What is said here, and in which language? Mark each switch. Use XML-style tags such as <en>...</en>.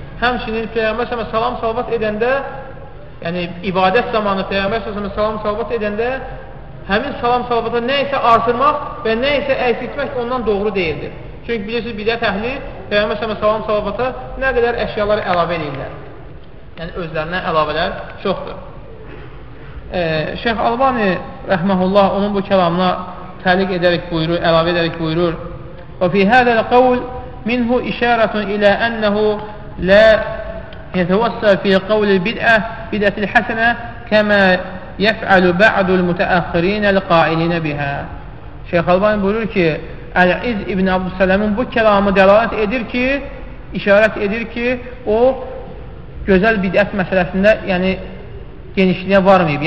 <az>Həmçinin Peyğəmbər sallam salavat edəndə, yəni ibadət zamanı Peyğəmbər sallam salavat edəndə həmin salam salavata nə isə artırmaq və nə isə əksiltmək ondan doğru deyildir. Çünki bilirsiniz, bidət əhli Peyğəmbər sallam salavata nə qədər əşyaları əlavə edirlər. Yəni özlərinə əlavələr çoxdur. Şeyx Albani rəhməhullah onun bu kəlamına təliq edərək buyurur, əlavə edərək buyurur.</az> <ar>وفي هذا القول منه إشارة إلى أنه لا يتوسع في قول البدعة بدعة الحسنة كما يفعل بعض المتأخرين القائلين بها.</ar> <az>شيخ الباني buyurur ki Əli-İz ibn Əbdüsəlamın bu kəlamı dəlalət edir ki, işarət edir ki, o gözəl bidət məsələsində yəni genişliyə varmayıb.</az>